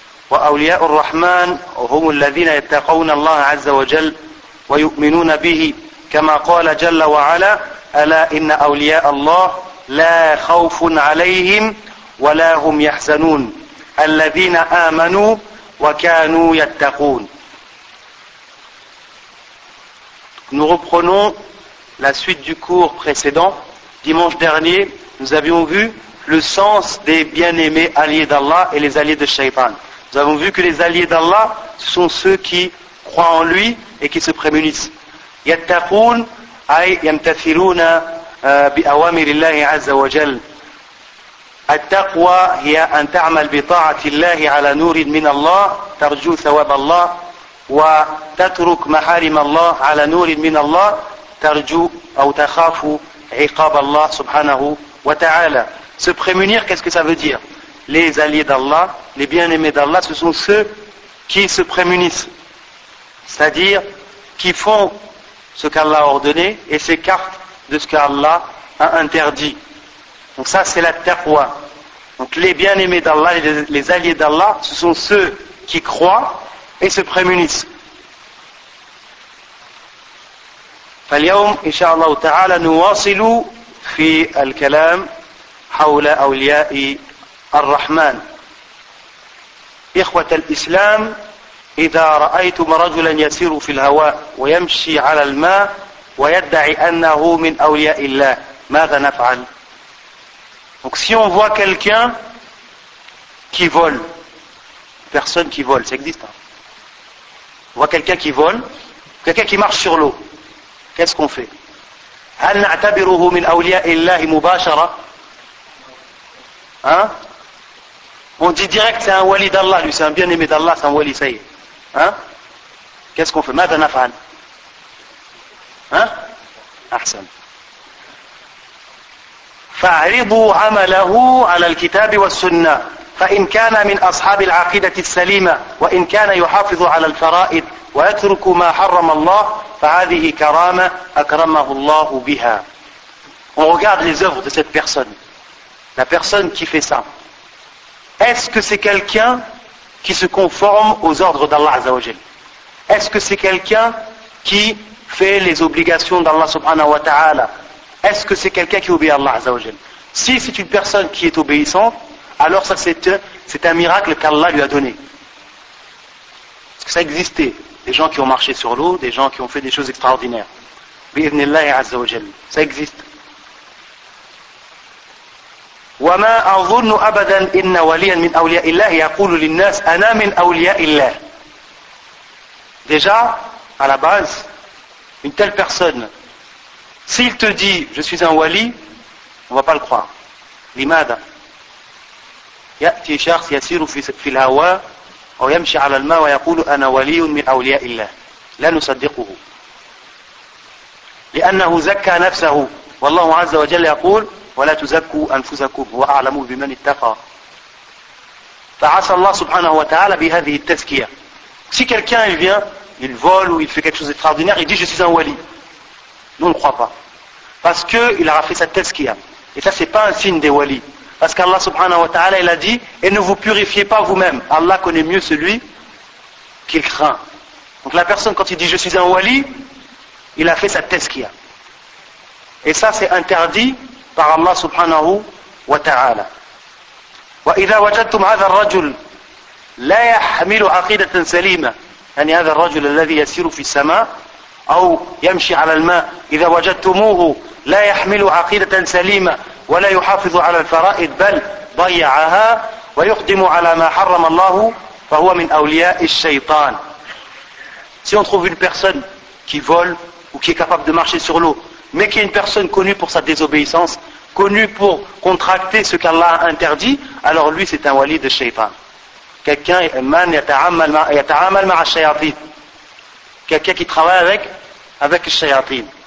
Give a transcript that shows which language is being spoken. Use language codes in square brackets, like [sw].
[ar] وأولياء الرحمن هم الذين يتقون الله عز وجل ويؤمنون به، كما قال جل وعلا: ألا إن أولياء الله لا خوف عليهم ولا هم يحزنون، الذين آمنوا وكانوا يتقون. [fr] Nous reprenons la suite du cours précédent. Dimanche dernier, nous avions vu le sens des bien-aimés alliés d'Allah et les alliés de Shaytan. Nous avons vu que les alliés d'Allah, ce sont ceux qui croient en lui et qui se prémunissent. [ar] يتقون أي يمتثلون بأوامر الله عز وجل. التقوى هي أن تعمل بطاعة الله على نور من الله ترجو ثواب الله، وتترك محارم الله على نور من الله ترجو أو تخاف عقاب الله سبحانه وتعالى. [fr] Se prémunir, qu'est-ce que ça veut dire? Les alliés d'Allah, les bien-aimés d'Allah, ce sont ceux qui se prémunissent, c'est-à-dire qui font ce qu'Allah a ordonné et s'écartent de ce qu'Allah a interdit. Donc ça, c'est la taqwa. Donc les bien-aimés d'Allah, les alliés d'Allah, ce sont ceux qui croient et se prémunissent. [ar] فاليوم إن شاء الله تعالى نواصل في الكلام حول أولياء الرحمن. إخوة الإسلام، إذا رأيتم رجلا يسير في الهواء ويمشي على الماء ويدعي أنه من أولياء الله، ماذا نفعل؟ [fr] Donc si on voit quelqu'un qui vole, personne qui vole, ça existe hein? On voit quelqu'un qui vole, quelqu'un qui marche sur l'eau, qu'est-ce qu'on fait? [ar] هل نعتبره من أولياء الله مباشرة؟ Hein? [fr] On dit direct c'est un wali d'Allah, lui c'est un bien-aimé d'Allah, c'est un wali, ça y est. Hein? Qu'est-ce qu'on fait? [ar] ماذا نفعل؟ Hein? أحسن. فاعرضوا عمله على الكتاب والسنة، فإن كان من أصحاب العقيدة السليمة، وإن كان يحافظ على الفرائض ويترك ما حرم الله، فهذه كرامة أكرمه الله بها. [fr] On regarde les œuvres de cette personne. La personne qui fait ça, est-ce que c'est quelqu'un qui se conforme aux ordres d'Allah Azza wa Jal? Est-ce que c'est quelqu'un qui fait les obligations d'Allah Subhanahu wa Ta'ala? Est-ce que c'est quelqu'un qui obéit à Allah Azza wa Jal? Si c'est une personne qui est obéissante, alors ça c'est un miracle qu'Allah lui a donné. Parce que ça existait. Des gens qui ont marché sur l'eau, des gens qui ont fait des choses extraordinaires. Bi'idhnillah Azza wa Jal. Ça existe. و [ar] وما أظن أبدا إن وليا من أولياء الله يقول للناس أنا من أولياء الله. [fr] Déjà, à la base, une telle personne, s'il te dit je suis un wali, on ne va pas le croire. [ar] لماذا؟ يأتي شخص يسير في الهواء أو يمشي على الماء ويقول أنا ولي من أولياء الله لا نصدقه لأنه زكى نفسه والله عز وجل يقول ولا تزكوا أنفسكم هو أعلم بمن اتقى فعسى الله سبحانه وتعالى بهذه التزكية. [fr] Si quelqu'un il vient, il vole ou il fait quelque chose d'extraordinaire, il dit je suis un wali. Nous on ne croit pas. Parce qu'il aura fait sa tazkiya. Et ça, ce n'est pas un signe des wali. Parce qu'Allah subhanahu wa ta'ala, il a dit, et ne vous purifiez pas vous-même. Allah connaît mieux celui qu'il craint. Donc la personne, quand il dit je suis un wali, il a fait sa tazkiya. Et ça, c'est interdit par Allah subhanahu wa ta'ala. [ar] Wa idha wajadtum hadha ar-rajul لا يحمل عقيدة سليمة يعني هذا الرجل الذي يسير في السماء أو يمشي على الماء إذا وجدتموه لا يحمل عقيدة سليمة ولا يحافظ على الفرائض بل ضيعها ويقدم على ما حرم الله فهو من أولياء الشيطان. [fr] Si on trouve une personne qui vole ou qui est capable de marcher sur l'eau mais qui est une personne connue pour sa désobéissance, connue pour contracter ce qu'Allah a interdit, alors lui c'est un wali de Shaytan. Quelqu'un [ar] man yata'amal ma'a shayatin. [fr] Quelqu'un qui travaille avec les shayatin.